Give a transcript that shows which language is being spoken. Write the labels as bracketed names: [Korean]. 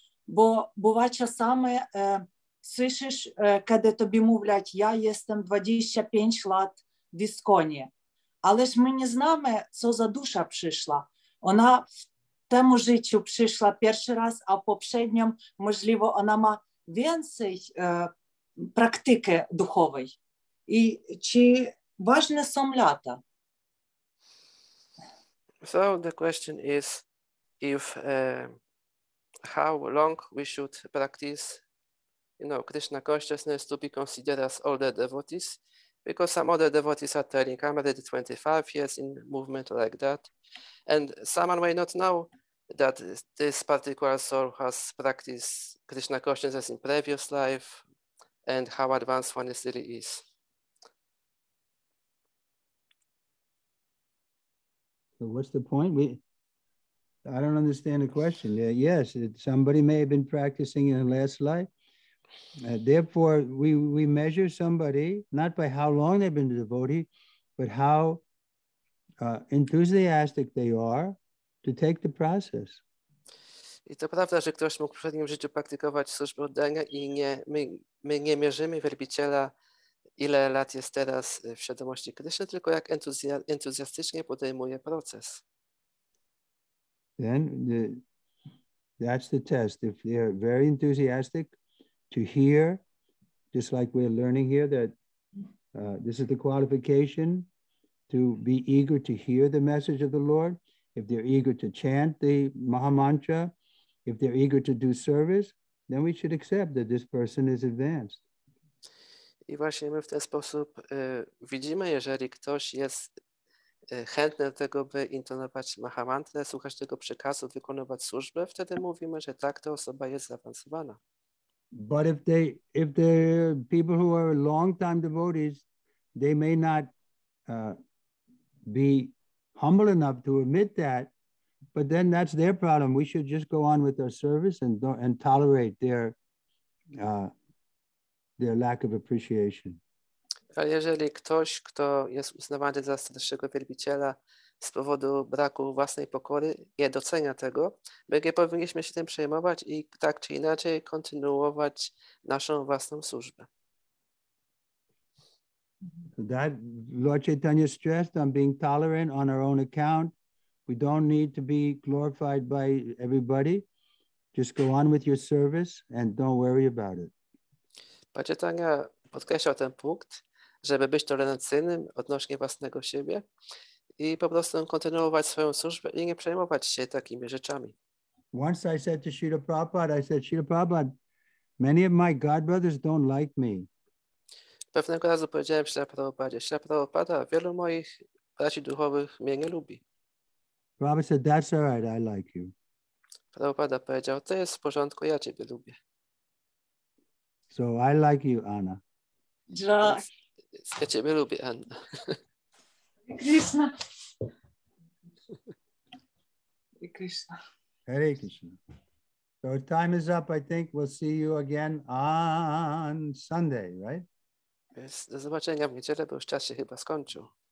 [Ukrainian] Бо буває часами, слышиш, коли тобі мовлять, [Polish] я єстем 25 лат [Ukrainian] в Ісконі. Але ж ми не знаємо, що за душа прийшла. Вона в тому житті прийшла перший раз, а в попередньому, можливо, вона має [Polish] więcej praktyki duchowej. I czy ważne są lata? [English] So the question is if how long we should practice, you know, Krishna consciousness to be considered as older devotees, because some other devotees are telling I'm already 25 years in movement like that, and someone may not know that this particular soul has practiced Krishna consciousness in previous life and how advanced one really is. So what's the point? I don't understand the question. Yes, somebody may have been practicing in the last life. Therefore, we measure somebody not by how long they've been a devotee, but how enthusiastic they are to take the process. [Polish] I to prawda, że ktoś mógł w poprzednim życiu praktykować służbę oddania i nie, my nie mierzymy wielbiciela, ile lat jest teraz w świadomości Kryszny, tylko jak entuzjastycznie podejmuje proces. [English] Then that's the test. If they're very enthusiastic to hear, just like we're learning here, that this is the qualification to be eager to hear the message of the Lord, if they're eager to chant the Maha Mantra, if they're eager to do service, then we should accept that this person is advanced. [Polish] I właśnie my w ten sposób widzimy, jeżeli ktoś jest chętny do tego, by intonować mahamantrę, słuchać tego przekazu, wykonywać służbę, wtedy mówimy, że tak, ta osoba jest zaawansowana. [English] But if the people who are long time devotees, they may not be humble enough to admit that. But then that's their problem. We should just go on with our service and tolerate their lack of appreciation. [Polish] Ale jeżeli ktoś, kto jest uznawany za starszego wielbiciela z powodu braku własnej pokory, nie docenia tego, my nie powinniśmy się tym przejmować i tak czy inaczej kontynuować naszą własną służbę. [English] That Lord Chaitanya stressed on being tolerant on our own account. We don't need to be glorified by everybody. Just go on with your service and don't worry about it. [Polish] Pan Chaitanya podkreślał ten punkt, żeby być tolerancyjnym odnośnie własnego siebie i po prostu kontynuować swoją służbę i nie przejmować się takimi rzeczami. [English] Once I said to Srila Prabhupada, I said, Srila Prabhupada, many of my God brothers don't like me. [Polish] Pewnego razu powiedziałem Srila Prabhupada, Srila Prabhupada, wielu moich braci duchowych mnie nie lubi. [English] Prabhupada said, that's all right, I like you. [Polish] Prabhupada powiedział, to jest w porządku, ja ciebie lubię. [English] So I like you, Anna. [Polish] Just. Ja ciebie lubię, Anna. [English] Krishna. Krishna. Hare Krishna. So time is up, I think. We'll see you again on Sunday, right? Yes, [Polish] do zobaczenia w niedzielę, bo już czas się chyba skończył.